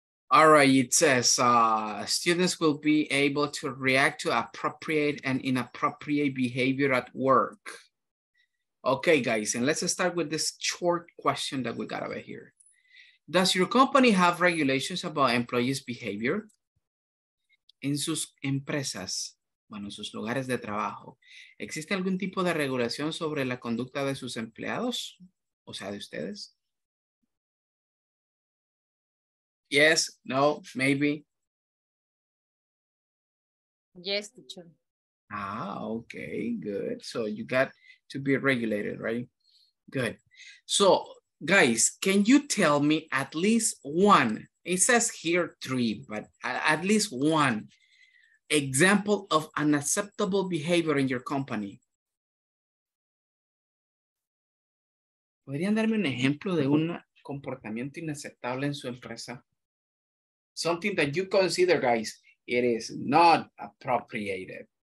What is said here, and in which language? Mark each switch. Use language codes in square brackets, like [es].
[en] All right, it says students will be able to react to appropriate and inappropriate behavior at work. Okay, guys, and let's start with this short question that we got over here. Does your company have regulations about employees' behavior? [es] En sus empresas, bueno, sus lugares de trabajo, ¿existe algún tipo de regulación sobre la conducta de sus empleados? O sea, de ustedes. [en] Yes, no, maybe. Yes, teacher. Ah, okay, good. So you got to be regulated, right? Good. So, guys, can you tell me at least one? It says here three, but at least one example of unacceptable behavior in your company. [es] ¿Podrían darme un ejemplo de un comportamiento inaceptable en su empresa? [en] Something that you consider, guys, it is not appropriated.